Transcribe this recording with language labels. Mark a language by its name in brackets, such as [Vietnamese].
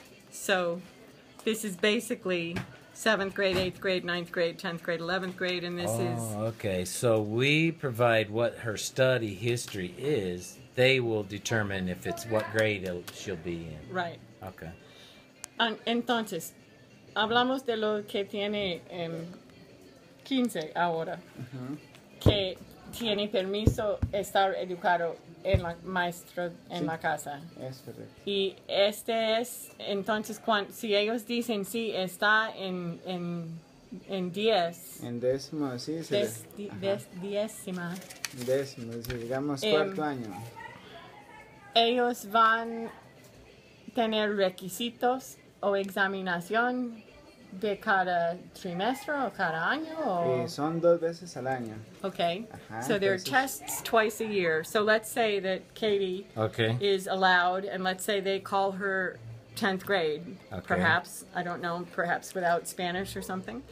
[English] So, this is basically 7th grade, 8th grade, 9th grade, 10th grade, 11th grade, and this is... Okay, so we provide what her study history is. They will determine if it's what grade she'll be in. Right. Okay. [Spanish] Entonces, hablamos de lo que tiene 15 ahora, que tiene permiso estar educado en la maestra en la casa. Es correcto. Y este es, entonces, si ellos dicen sí, está en 10. En décimo, sí. Décima. Décimo, digamos cuarto año. Ellos van a tener requisitos o examinación de cada trimestre o cada año? Son dos veces al año. Okay. Ajá, [English] so there are tests twice a year. So let's say that Katie is allowed, and let's say they call her 10th grade, perhaps, I don't know, perhaps without Spanish or something.